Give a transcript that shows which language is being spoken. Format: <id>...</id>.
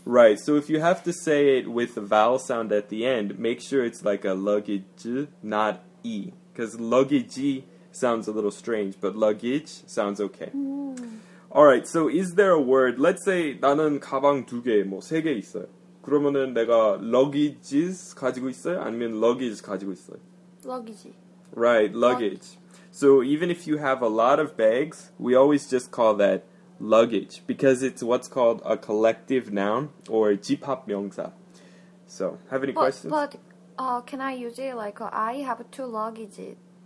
<en>Right, so if you have to say it with the vowel sound at the end, make sure it's like a luggage, not E. Because luggage sounds a little strange, but luggage sounds okay. Alright, so is there a word, let's say</en> <ko>나는 가방 두 개, 뭐 세 개 있어요. 그러면은 내가 luggages 가지고 있어요? 아니면 luggage 가지고 있어요?</ko> <en>Luggage. Right, luggage. So even if you have a lot of bags, we always just call that luggage, because it's what's called a collective noun, or 집합명사. So, have any questions? But, can I use it like, I have two luggages?</en>